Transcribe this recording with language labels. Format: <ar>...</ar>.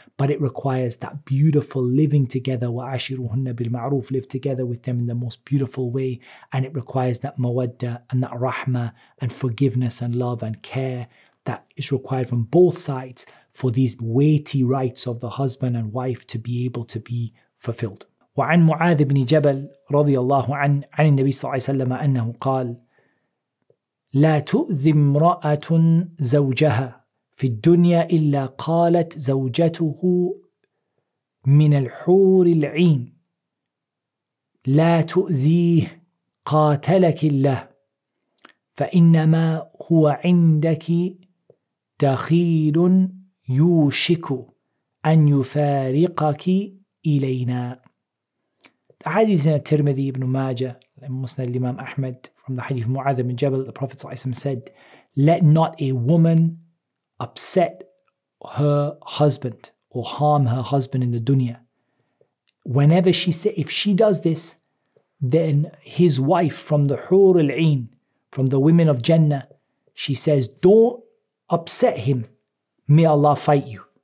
<en>But it requires that beautiful living together.</en> <ar>وَعَشِرُهُنَّ بِالْمَعْرُوفِ.</ar> <en>Live together with them in the most beautiful way. And it requires that mawadda and that rahmah and forgiveness and love and care that is required from both sides for these weighty rights of the husband and wife to be able to be fulfilled.</en> <ar>وَعَنْ مُعَاذِ بْنِ جَبَلْ رَضِيَ اللَّهُ عَنِ النَّبِي صَلَّى اللَّهُ عَلَيْهِ وَسَلَّمَ أَنَّهُ قَالَ لا تؤذي امرأة زوجها في الدنيا إلا قالت زوجته من الحور العين لا تؤذيه قاتلك الله فإنما هو عندك دخيل يوشك أن يفارقك إلينا.</ar> <en>The hadith in Tirmidhi, Ibn Majah, Musnad Imam Ahmad, from the hadith of Mu'adh ibn Jabal, the Prophet ﷺ said, let not a woman upset her husband or harm her husband in the dunya. Whenever she say, if she does this, then his wife from the Hur al-Ain, from the women of Jannah, she says, don't upset him. May Allah fight you.</en>